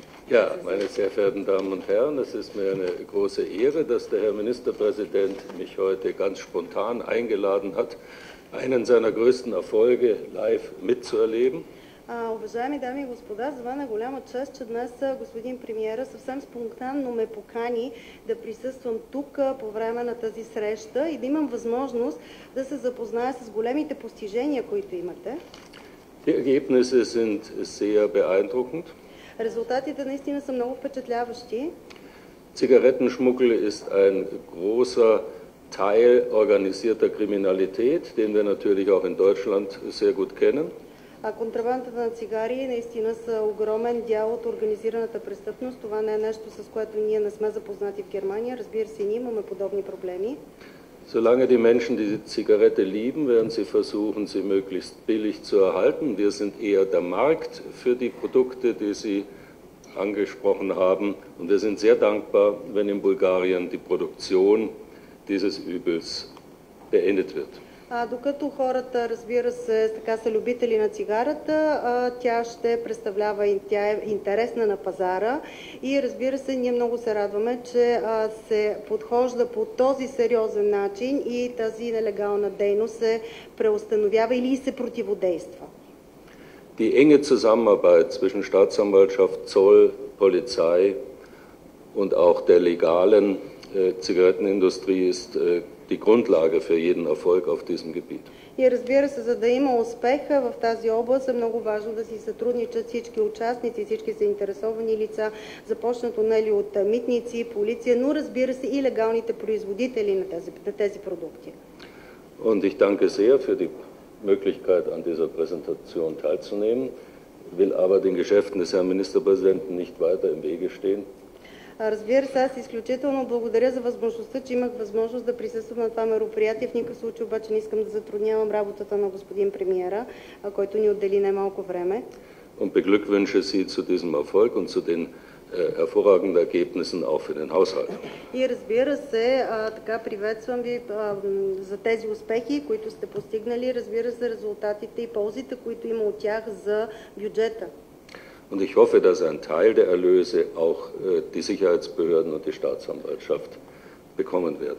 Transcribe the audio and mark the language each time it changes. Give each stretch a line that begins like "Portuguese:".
German: Ja, meine sehr verehrten Damen und Herren, es ist mir eine große Ehre, dass der Herr Ministerpräsident mich heute ganz spontan eingeladen hat, einen seiner größten Erfolge live mitzuerleben.
Bulgarian: Уважаеми дами и господа, за мен е голяма чест, че днес господин премиера съвсем спонтанно ме покани да присъствам тук по време на тази среща и да имам възможност да се запозная с големите постижения, които имате.
German: Die Ergebnisse sind sehr beeindruckend.
Bulgarian: Резултатите наистина са много впечатляващи.
German: Zigarettenschmuggel ist ein großer Teil organisierter Kriminalität, den wir natürlich auch in Deutschland sehr gut kennen.
Bulgarian: А контрабандата на цигари наистина са огромен дял от организираната престъпност. Това не е нещо, с което ние не сме запознати в Германия. Разбира се, ние имаме подобни проблеми.
German: Solange die Menschen die Zigarette lieben, werden sie versuchen, sie möglichst billig zu erhalten. Wir sind eher der Markt für die Produkte, die sie angesprochen haben. Und wir sind sehr dankbar, wenn in Bulgarien die Produktion dieses Übels beendet wird.
Bulgarian: Докато хората, разбира се, така са любители на цигарата, тя ще представлява и тя е интересна на пазара. И разбира се, ние много се радваме, че се подхожда по този сериозен начин и тази нелегална дейност се преустановява или се противодейства.
German: Die enge Zusammenarbeit zwischen Staatsanwaltschaft, Zoll, Polizei und auch der legalen Zigarettenindustrie ist die Grundlage für jeden Erfolg auf diesem Gebiet.
Bulgarian: И разбира се, за да има успех в тази област, е много важно да си сътрудничат всички участници, всички заинтересовани лица, започнато нали от митници, полиция, но разбира се и легалните производители на тези продукти.
German: Und ich danke sehr für die Möglichkeit an dieser Präsentation teilzunehmen, will aber den Geschäften des Herrn Ministerpräsidenten nicht weiter im Wege stehen.
Bulgarian: Разбира се, аз изключително благодаря за възможността, че имах възможност да присъствам на това мероприятие. В никакъв случай обаче не искам да затруднявам работата на господин премиера, който ни отдели немалко време.
German: Und beglückwünsche Sie zu diesem Erfolg und zu den hervorragenden Ergebnissen auch für den Haushalt.
Bulgarian: И разбира се, така приветствам ви за тези успехи, които сте постигнали, разбира се, резултатите и ползите, които има от тях за бюджета.
German: Und ich hoffe, dass ein Teil der Erlöse auch die Sicherheitsbehörden und die Staatsanwaltschaft bekommen werden.